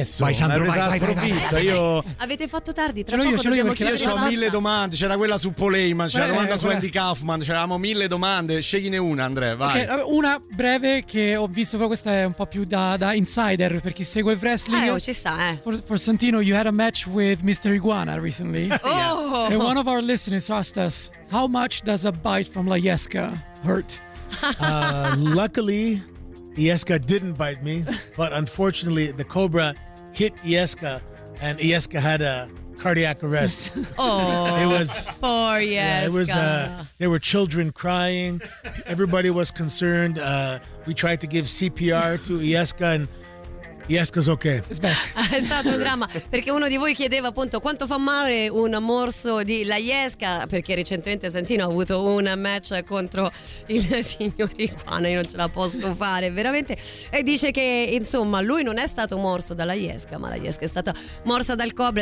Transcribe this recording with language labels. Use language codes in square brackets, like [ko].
[it] vai Sandro, avete fatto tardi, tra poco dobbiamo chiudere. Io ho mille domande, c'era quella su Paul Heyman, c'era la domanda su Andy Kaufman, c'eravamo mille domande, scegline una, Andrea, vai. Okay, una breve che ho visto, però questa è un po' più da insider per chi segue il wrestling. Ci sta, [en] For Santino, you had a match with Mr. Iguana recently. Oh. And one of our listeners asked us, how much does a bite from La Yesca hurt? Luckily Ieska didn't bite me, but unfortunately the cobra hit Ieska and Ieska had a cardiac arrest. Oh, it was poor Ieska. Yeah, it was there were children crying. Everybody was concerned. We tried to give CPR to Ieska and Ieska's okay. [it] È stato un dramma, perché uno di voi chiedeva appunto quanto fa male un morso di la Ieska, perché recentemente Santino ha avuto un match contro il signor Iguana, io non ce la posso fare veramente, e dice che insomma lui non è stato morso dalla Ieska, ma la Ieska è stata morsa dal cobra.